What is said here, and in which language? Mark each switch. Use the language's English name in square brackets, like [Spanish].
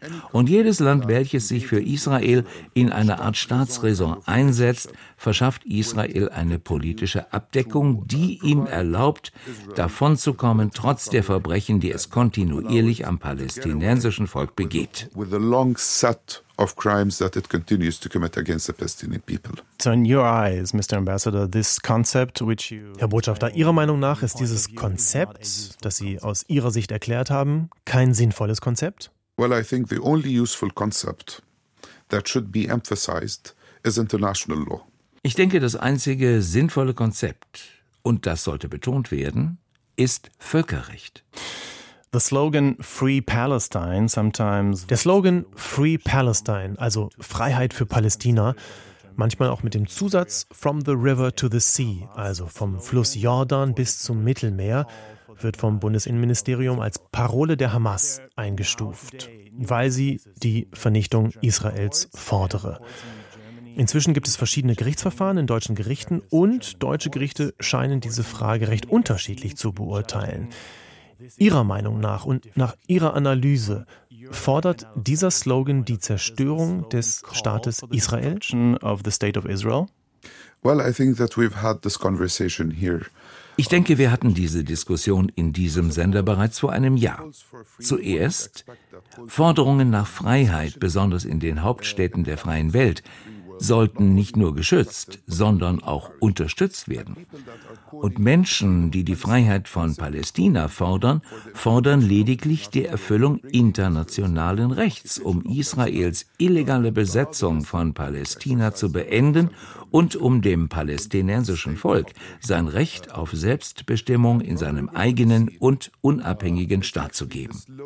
[German] Und jedes Land, welches sich für Israel in einer Art Staatsräson einsetzt, verschafft Israel eine politische Abdeckung, die ihm erlaubt, davonzukommen, trotz der Verbrechen, die es kontinuierlich am palästinensischen Volk begeht. [English] With a long set of crimes that it continues to commit against the Palestinian people. So in your eyes, Mr. Ambassador, this concept which you [German] Herr Botschafter, Ihrer Meinung nach ist dieses Konzept, das Sie aus Ihrer Sicht erklärt haben, kein sinnvolles Konzept? [English] Well, I think the only useful concept that should be emphasized is international law. [German] Ich denke, das einzige sinnvolle Konzept, und das sollte betont werden, ist Völkerrecht. [English] The slogan Free Palestine sometimes [German] Der Slogan [English] Free Palestine, [German] also Freiheit für Palästina, manchmal auch mit dem Zusatz [English] From the River to the Sea, [German] also vom Fluss Jordan bis zum Mittelmeer, wird vom Bundesinnenministerium als Parole der Hamas eingestuft, weil sie die Vernichtung Israels fordere. Inzwischen gibt es verschiedene Gerichtsverfahren in deutschen Gerichten und deutsche Gerichte scheinen diese Frage recht unterschiedlich zu beurteilen. Ihrer Meinung nach und nach Ihrer Analyse fordert dieser Slogan die Zerstörung des Staates Israel? [English] Well, I think that we've had this conversation here. [German] Ich denke, wir hatten diese Diskussion in diesem Sender bereits vor einem Jahr. Zuerst Forderungen nach Freiheit, besonders in den Hauptstädten der freien Welt, sollten nicht nur geschützt, sondern auch unterstützt werden. Und Menschen, die die Freiheit von Palästina fordern, fordern lediglich die Erfüllung internationalen Rechts, um Israels illegale Besetzung von Palästina zu beenden und um dem palästinensischen Volk sein Recht auf Selbstbestimmung in seinem eigenen und unabhängigen Staat zu geben.